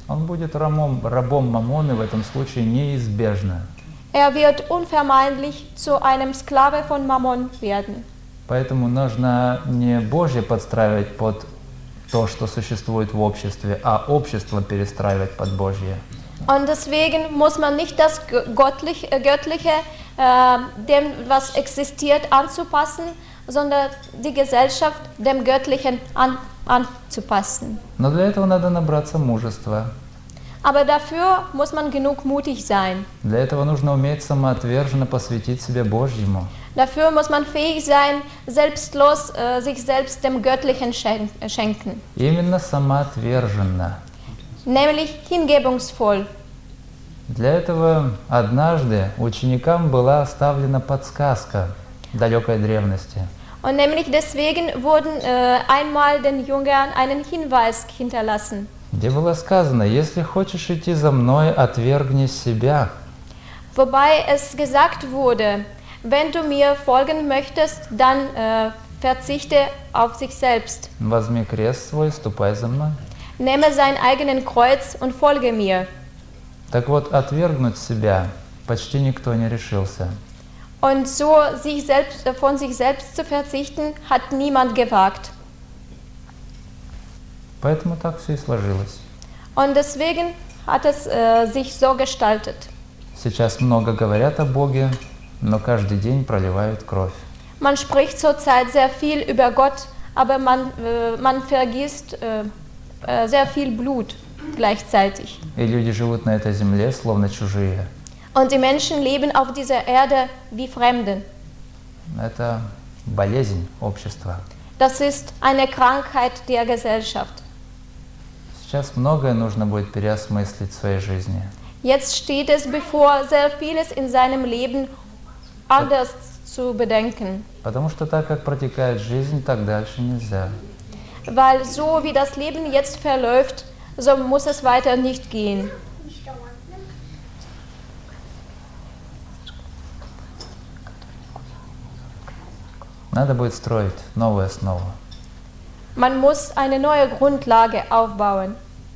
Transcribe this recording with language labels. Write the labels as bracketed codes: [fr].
[ru] Он будет рабом Мамоны в этом случае неизбежно. [de] Wird unvermeidlich zu einem Sklave von Mammon werden. [ru] Поэтому нужно не Божье подстраивать под то, что существует в обществе, а общество перестраивать под Божье. [de] Und deswegen muss man nicht das Göttliche dem, was existiert, anzupassen, sondern die Gesellschaft dem Göttlichen anzupassen. [ru] Но для этого надо набраться мужества. [de] Aber dafür muss man genug mutig sein. [ru] Для этого нужно уметь самоотверженно посвятить себя Божьему. [de] Dafür muss man fähig sein, selbstlos sich selbst dem Göttlichen schenken. [ru] Именно самоотверженно. [de] Nämlich hingebungsvoll. [ru] Для этого однажды ученикам была оставлена подсказка далекой древности. [de] Und nämlich deswegen wurden einmal den Jüngern einen Hinweis hinterlassen. [ru] Где было сказано, если хочешь идти за мной, отвергни себя. [de] Wobei es gesagt wurde, wenn du mir folgen möchtest, dann verzichte auf sich selbst. [ru] Возьми крест свой, ступай за мной. [de] Nehme sein eigenen Kreuz und folge mir. [ru] Так вот, отвергнуть себя почти никто не решился. [de] Und so sich selbst, von sich selbst zu verzichten, hat niemand gewagt. [ru] Поэтому так все и сложилось. [de] Und deswegen hat es sich so gestaltet. [ru] Сейчас много говорят о Боге, но каждый день проливают кровь. [de] Man spricht zurzeit sehr viel über Gott, aber man vergisst sehr viel Blut gleichzeitig. [ru] И люди живут на этой земле, словно чужие. [de] Und die Menschen leben auf dieser Erde wie Fremde. [ru] Это болезнь общества. [de] Das ist eine Krankheit der Gesellschaft. [ru] Сейчас многое нужно будет переосмыслить в своей жизни. [de] Jetzt steht es bevor, sehr vieles in seinem Leben anders zu bedenken. [ru] Потому что так, как протекает жизнь, так дальше нельзя. [de] Weil so wie das Leben jetzt verläuft, so muss es weiter nicht gehen. [ru] Надо будет строить новую основу. [de] Man muss eine neue Grundlage aufbauen.